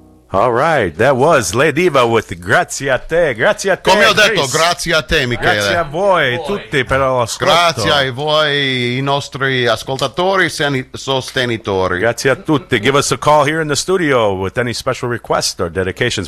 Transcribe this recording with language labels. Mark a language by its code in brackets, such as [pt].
[en] All right, that was Le Diva with grazie a te. [it] Come ho detto, grazie a te, Michele. Grazie a voi tutti per l'ascolto. Grazie a voi, i nostri ascoltatori e sostenitori. Grazie a tutti. [en] Give us a call here in the studio with any special requests or dedications.